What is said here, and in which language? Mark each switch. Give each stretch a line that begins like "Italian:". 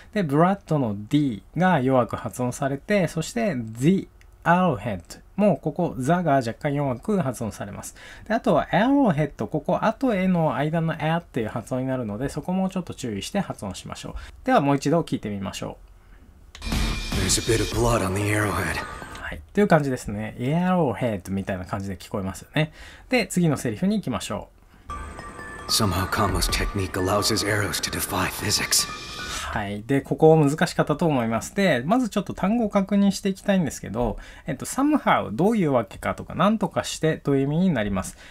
Japanese: で blood の d が弱く発音されて、そして
English: the arrowhead
Japanese: もここ the が若干弱く発音されます。であとは arrowhead、 ここ後への間の air っていう発音になるので、そこもちょっと注意して発音しましょう。ではもう一度聞いてみましょう。
English: There's a bit of blood on the arrowhead。
Japanese: はい、という感じですね。arrowhead みたいな感じで聞こえますよね。で次のセリフに行きましょう。
English: Somehow Kamo's technique allows his arrows to defy physics.
Japanese: はい、でここ難しかったと思います。でまずちょっと単語を確認していきたいんですけど、somehow どういうわけかとか、なんとかしてという意味になります。